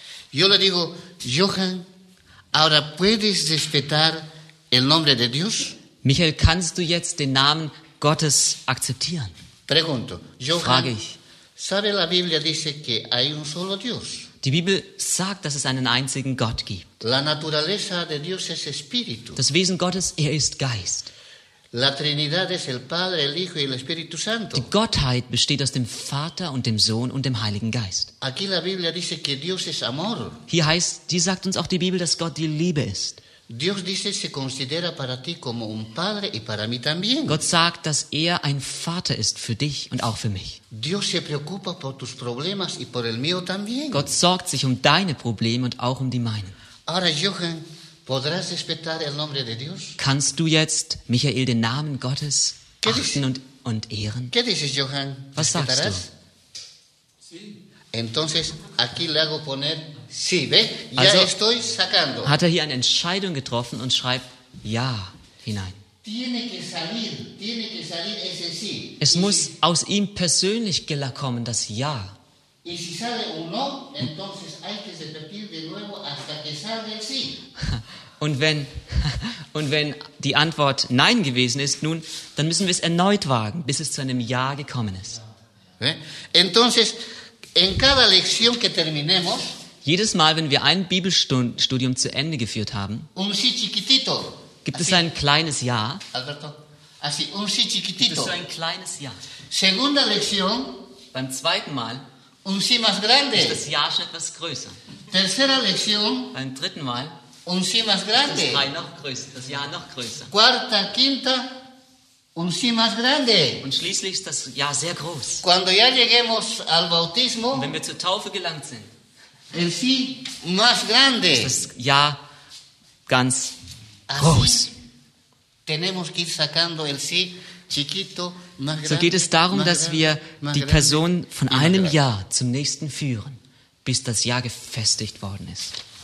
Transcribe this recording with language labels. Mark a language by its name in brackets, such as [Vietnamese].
[Spanish] Yo le digo, Johann, ahora puedes respetar el nombre de Dios? [German] Michael, kannst du jetzt den Namen Gottes akzeptieren? [Spanish] Pregunto, Johann, [German] frage ich. [Spanish] ¿Sabe la Biblia dice que hay un solo Dios? [German] Die Bibel sagt, dass es einen einzigen Gott gibt. [Spanish] La naturaleza de Dios es espíritu. [German] Das Wesen Gottes, er ist Geist. [Spanish] La Trinidad es el Padre, el Hijo y el Espíritu Santo. [German] Die Gottheit besteht aus dem Vater und dem Sohn und dem Heiligen Geist. [Spanish] Aquí la Biblia dice que Dios es amor. [German] Hier heißt, die sagt uns auch die Bibel, dass Gott die Liebe ist. [Spanish] Dios dice se considera para ti como un padre y para mí también. [German] Gott sagt, dass er ein Vater ist für dich und auch für mich. [Spanish] Dios se preocupa por tus problemas y por el mío también. [German] Gott sorgt sich um deine Probleme und auch um die meinen. [Spanish] Ahora, Johann, ¿podrás respetar el nombre de Dios? [German] Kannst du jetzt, Michael, den Namen Gottes achten und ehren? [Spanish] ¿Qué dices, Johann? [German] Was sagst du? [Spanish] Entonces, aquí le hago poner sí, ¿ve? Ya also, estoy sacando. [German] Hat er hier eine Entscheidung getroffen und schreibt ja hinein. [Spanish] Tiene que salir ese sí. [German] Es y muss aus ihm persönlich kommen, das ja. [Spanish] Y si sale un no, entonces hay que repetir de nuevo hasta que salga el sí. [German] Und wenn die Antwort nein gewesen ist, nun, dann müssen wir es erneut wagen, bis es zu einem ja gekommen ist. [Spanish] Entonces, en cada lección que terminemos, [German] jedes Mal, wenn wir ein Bibelstudium zu Ende geführt haben, [Spanish] un sí chiquitito, [German] gibt es ein kleines Ja. [Spanish] Alberto, así, un sí chiquitito. [German] Gibt es ein kleines Ja. [Spanish] Segunda lección, [German] beim zweiten Mal, [Spanish] un sí más grande. [German] Ist das Ja schon etwas größer. [Spanish] Tercera lección, [German] beim dritten Mal, [Spanish] un sí más grande. [German] Das Ja noch größer. [Spanish] Cuarta, quinta, un sí más grande. [German] Und schließlich ist das Ja sehr groß. [Spanish] Cuando ya lleguemos al bautismo, [German] wenn wir zur Taufe gelangt sind, [Spanish] el sí más grande. [German] Das Ja ganz [Spanish] así [German] groß. [Spanish] Tenemos que ir sacando el sí chiquito, más grande. [German] So geht es darum, dass wir die Person von einem Ja zum nächsten führen, bis das Ja gefestigt worden ist.